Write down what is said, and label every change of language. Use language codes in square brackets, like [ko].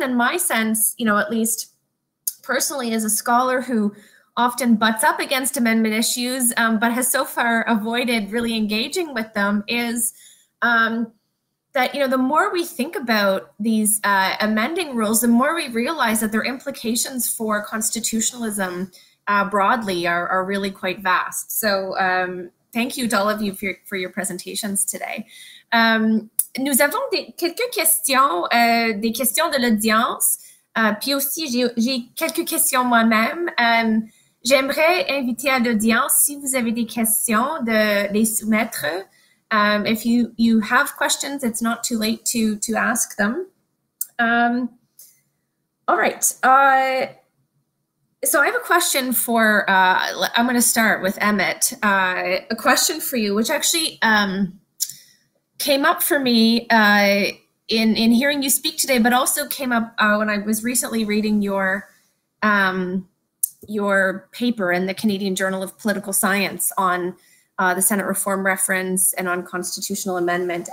[en] And my sense, you know, at least personally as a scholar who often butts up against amendment issues, but has so far avoided really engaging with them is, that, you know, the more we think about these amending rules, the more we realize that their implications for constitutionalism broadly are really quite vast. So thank you to all of you for your presentations today. [fr] Nous avons quelques questions, des questions de l'audience, puis aussi j'ai quelques questions moi-même. J'aimerais inviter à l'audience, si vous avez des questions, de les soumettre. [en] If you have questions, it's not too late to ask them. All right. So I have a question for, I'm going to start with Emmett. A question for you, which actually came up for me in hearing you speak today, but also came up when I was recently reading your paper in the Canadian Journal of Political Science on the Senate reform reference and on constitutional amendment.